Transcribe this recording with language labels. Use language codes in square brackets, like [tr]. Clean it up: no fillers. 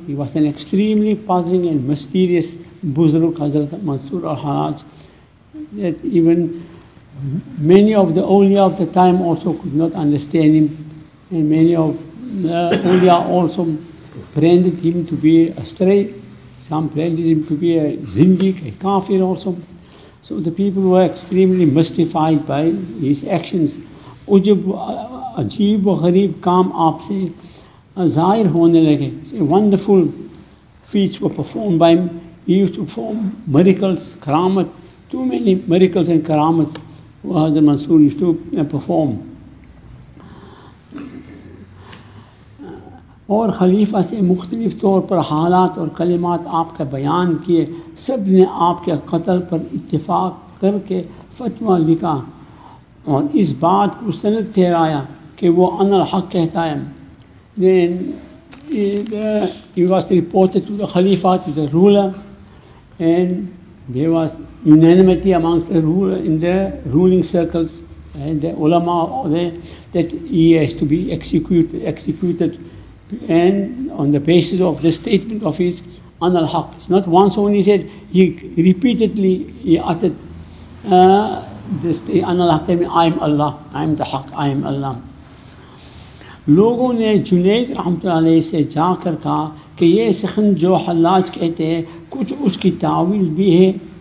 [en] He was an extremely puzzling and mysterious Buzurg, Hazrat Mansur al-Haraj, that even many of the awliya of the time also could not understand him, and many of the awliya also branded him to be astray. Some branded him to be a zindiq, a kafir also. So the people were extremely mystified by his actions. [ur] عجب عجیب و غریب کام آپ سے ظاہر ہونے لگے. [en] Wonderful feats were performed by him. He used to perform miracles, karamat. Too many miracles and karamat Hazrat Mansur used to perform. [ur] اور خلیفہ سے مختلف طور پر حالات اور کلمات آپ کا بیان کیے. سب نے آپ کے قتل پر اتفاق کر کے فتویٰ لکھا اور اس بات کو سند ٹھہرایا کہ وہ ان الحق کہتا ہے. [en] Then he was reported to the Khalifa, to the ruler, and there was unanimity amongst the ruler in the ruling circles and the ulama there that he has to be executed, and on the basis of the statement of his an al-haq. It's not once only said, he repeatedly he uttered this an al-haq, I am Allah, I am the haq, I am Allah. [ur] لوگوں نے جنید رحمۃ اللہ علیہ سے جا کر کہا کہ یہ سخن جو حلاج کہتے ہیں کچھ اس کی تعویل بھی ہے.